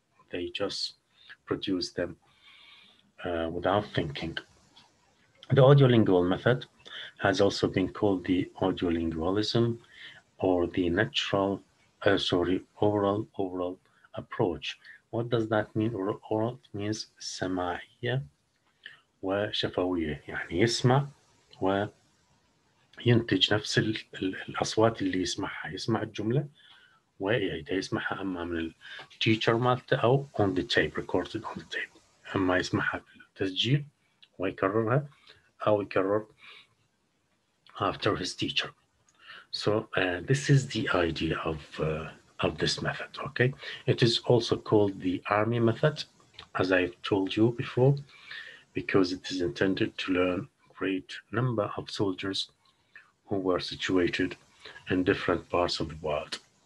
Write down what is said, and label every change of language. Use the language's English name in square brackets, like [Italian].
[English] They just produce them without thinking. The audiolingual method has also been called the audiolingualism or the natural oral approach. What does that mean? Oral means [Arabic] سماعية وشفوية يعني يسمع وينتج نفس الأصوات اللي يسمعها. يسمع الجملة ويعيدها يسمعها أما من التيتشر مالته أو [English] on the tape, recorded on the tape. [Arabic] أما يسمعها في التسجيل ويكررها أو يكرر [English] after his teacher. So this is the idea of this method, okay? It is also called the army method, as I've told you before, because it is intended to learn great number of soldiers who were situated in different parts of the world.